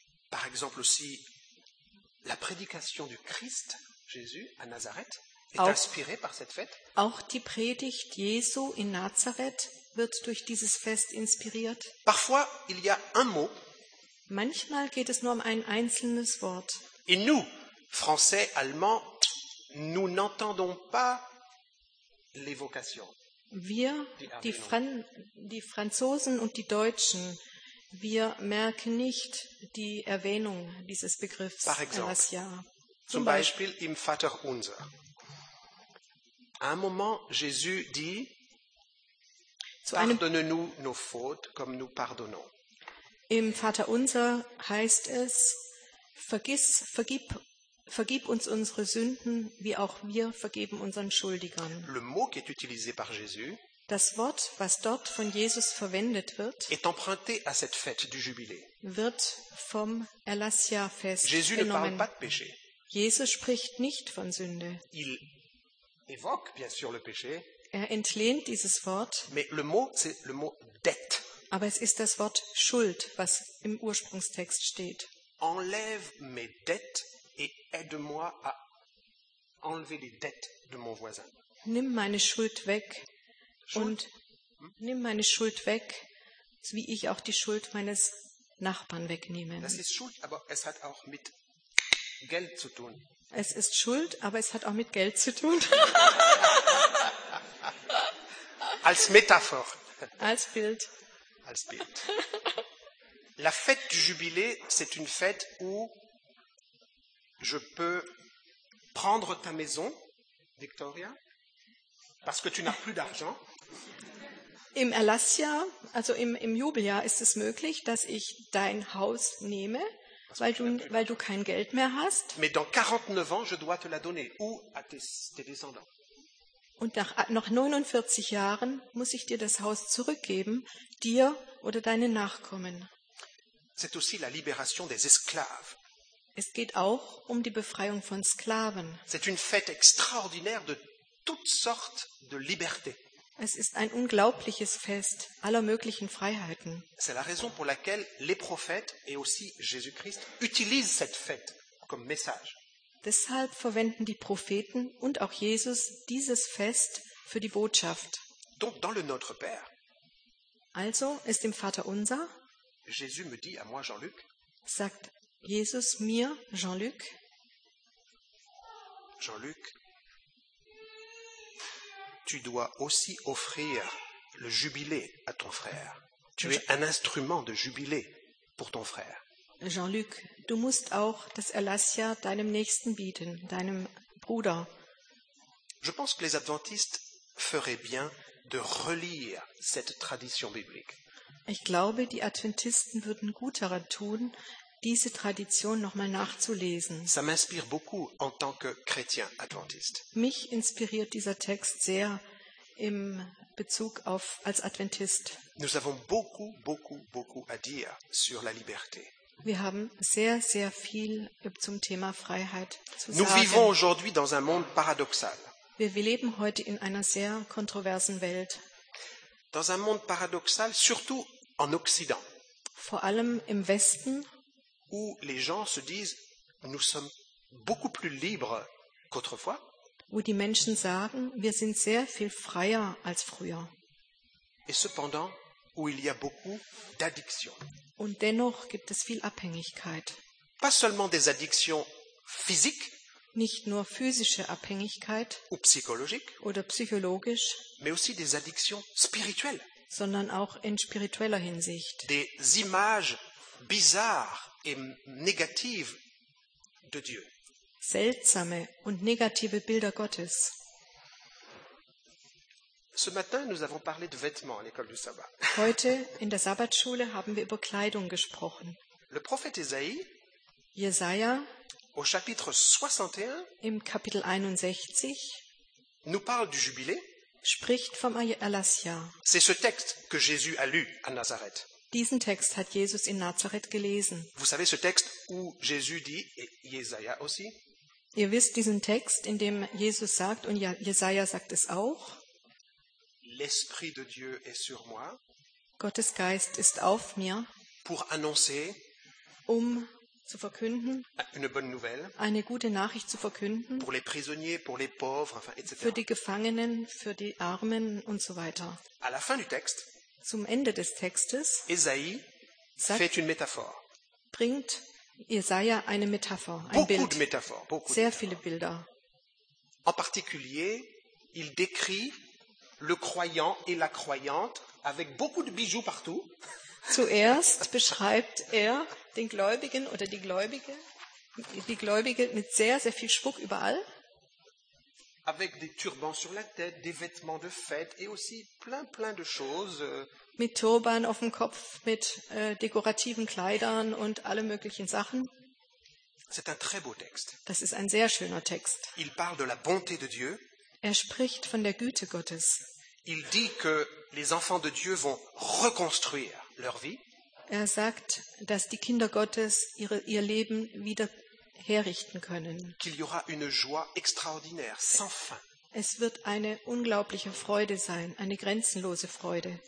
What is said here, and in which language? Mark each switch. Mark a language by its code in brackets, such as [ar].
[fr] Par exemple aussi, la prédication du Christ, Jésus, à Nazareth, est [de] auch, [fr] inspirée par cette fête. [de] Auch die Predigt Jesu in Nazareth wird durch dieses Fest inspiriert. [fr] Parfois, il y a un mot. [de] Manchmal geht es nur um ein einzelnes Wort. [fr] Et nous, Français, Allemands, nous n'entendons pas l'évocation. [de] Wir, die Franzosen und die Deutschen, wir merken nicht die Erwähnung dieses Begriffs. [fr] Par exemple, [de] zum Beispiel im Vater Unser. [fr] À un moment, Jésus dit, pardonne-nous nos fautes, comme nous pardonnons. [de] Im Vater Unser heißt es, vergib uns unsere Sünden, wie auch wir vergeben unseren Schuldigern. [fr] Le mot qui est utilisé par Jésus, [de] das Wort, was dort von Jesus verwendet wird, [fr] est emprunté à cette fête du Jubilé. [de] Wird vom Erlassjahrfest [fr] Jésus [de] genommen. [fr] Ne parle pas de péché. [de] Jesus spricht nicht von Sünde. [fr] Il évoque, bien sûr, le péché, [de] er entlehnt dieses Wort. [fr] Mais le mot, c'est le mot dette. [de] Aber es ist das Wort Schuld, was im Ursprungstext steht. [fr] Enlève mes dettes et aide-moi à enlever les dettes de mon voisin. [de] Nimm meine Schuld weg und nimm meine Schuld weg, wie ich auch die Schuld meines Nachbarn wegnehme. Das ist Schuld, aber es hat auch mit Geld zu tun. Es ist Schuld, aber es hat auch mit Geld zu tun. Als Metapher. Als Bild. Als Bild. [fr] La fête du jubilé, c'est une fête où je peux prendre ta maison, Victoria, parce que tu n'as plus d'argent. [de] Im Erlassjahr, also im Jubeljahr, ist es möglich, dass ich dein Haus nehme, weil du kein Geld mehr hast. [fr] Mais dans 49 ans, je dois te la donner, ou à tes descendants. [de] Und nach 49 Jahren muss ich dir das Haus zurückgeben, dir oder deinen Nachkommen. [fr] C'est aussi la libération des esclaves. [de] Es geht auch um die Befreiung von Sklaven. [fr] C'est une fête extraordinaire de toutes sortes de libertés. [de] Es ist ein unglaubliches Fest aller möglichen Freiheiten. [fr] C'est la raison pour laquelle les prophètes et aussi Jésus-Christ utilisent cette fête comme message. [de] Deshalb verwenden die Propheten und auch Jesus dieses Fest für die Botschaft. [fr] Donc dans le Notre Père. [de] Also ist im Vater Unser. [fr] Jésus me dit à moi, Jean-Luc. [de] Sagt Jesus mir, Jean-Luc. [fr] Jean-Luc, tu dois aussi offrir le jubilé à ton frère. Tu es un instrument de jubilé pour ton frère. [de] Jean-Luc, du musst auch das Erlassjahr deinem Nächsten bieten, deinem Bruder. [fr] Je pense que les Adventistes feraient bien de relire cette tradition biblique. [de] Ich glaube, die Adventisten würden gut daran tun, diese Tradition nochmal nachzulesen. [fr] Ça m'inspire beaucoup en tant que chrétien adventiste. [de] Mich inspiriert dieser Text sehr im Bezug auf als Adventist. [fr] Nous avons beaucoup, beaucoup, beaucoup à dire sur la liberté. [de] Wir haben sehr, sehr viel zum Thema Freiheit zu sagen. [fr] Nous vivons aujourd'hui dans un monde paradoxal. [de] Wir leben heute in einer sehr kontroversen Welt. [fr] Dans un monde paradoxal, surtout en Occident. [de] Vor allem im Westen. [fr] Où les gens se disent, nous sommes beaucoup plus libres qu'autrefois. Où [de] die Menschen sagen, wir sind sehr viel freier als früher. [fr] Et cependant, où il y a beaucoup d'addictions. [de] Und dennoch gibt es viel Abhängigkeit. [fr] Pas seulement des addictions physiques. [de] Nicht nur physische Abhängigkeit. [fr] Ou psychologique. [de] Oder psychologisch. [fr] Mais aussi des addictions spirituelles. [de] Sondern auch in spiritueller Hinsicht. [fr] Des images bizarres. Et négative de Dieu. [de] Seltsame und negative Bilder Gottes. [fr] Ce matin, nous avons parlé de vêtements à l'école du sabbat. [de] Heute in der Sabbatschule haben wir über Kleidung gesprochen. [fr] Le prophète Isaïe, [de] Jesaja, [fr] au chapitre 61, [de] im Kapitel 61, [fr] nous parle du jubilé. [de] Spricht vom Erlassjahr. [fr] C'est ce texte que Jésus a lu à Nazareth. [de] Diesen Text hat Jesus in Nazareth gelesen. [fr] Vous savez ce texte où Jésus dit, et Jesaja aussi? [de] Ihr wisst diesen Text, in dem Jesus sagt, und Jesaja sagt es auch. [fr] L'Esprit de Dieu est sur moi. [de] Gottes Geist ist auf mir. [fr] Pour annoncer. [de] Um zu verkünden. [fr] Une bonne nouvelle. [de] Eine gute Nachricht zu verkünden. [fr] Pour les prisonniers, pour les pauvres, enfin, etc. [de] Für die Gefangenen, für die Armen und so weiter. [fr] À la fin du texte. [de] Zum Ende des Textes [fr] Esaïe [de] sagt, [fr] fait une métaphore. [de] Bringt Jesaja eine Metapher, ein [fr] beaucoup [de] Bild. [fr] De métaphores, beaucoup [de] sehr [fr] de [de] viele Bilder. [fr] En particulier, il décrit le croyant et la croyante avec beaucoup de bijoux partout. [de] Zuerst beschreibt er den Gläubigen oder die Gläubige mit sehr, sehr viel Schmuck überall. [fr] Avec des turbans sur la tête, des vêtements de fête et aussi plein de choses. [de] Mit Turban auf dem Kopf, mit dekorativen Kleidern und alle möglichen Sachen. [fr] C'est un très beau texte. [de] Das ist ein sehr schöner Text. [fr] Il parle de la bonté de Dieu. [de] Er spricht von der Güte Gottes. [fr] Il dit que les enfants de Dieu vont reconstruire leur vie. [de] Er sagt, dass die Kinder Gottes ihr Leben wieder herrichten können. [fr] Qu'il y aura une joie extraordinaire, sans fin. [de] Es wird eine unglaubliche Freude sein, eine grenzenlose Freude.